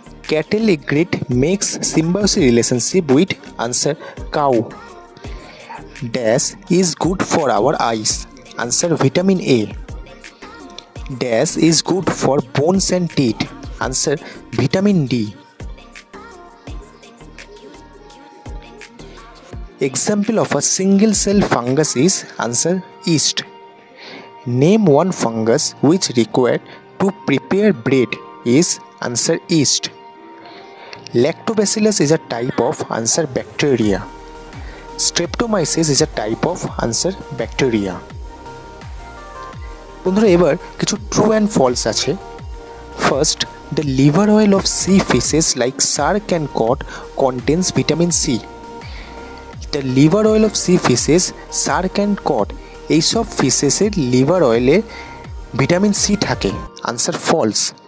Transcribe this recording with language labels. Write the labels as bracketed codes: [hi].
[en] Cattle egret makes symbiosis relationship with answer cow. Dash is good for our eyes, answer vitamin A. Dash is good for bones and teeth, answer vitamin D. Example of a single cell fungus is answer yeast. Name one fungus which required to prepare bread is answer yeast. Lactobacillus is a type of answer bacteria. Streptomyces is a type of answer bacteria. [bn] বন্ধুরা এবার কিছু true and false আছে। [en] First, the liver oil of sea fishes like shark and cod contains vitamin C. The liver oil of sea fishes, shark and cod, [bn] এইসব ফিশেসের liver অয়েলে vitamin C থাকে, answer false.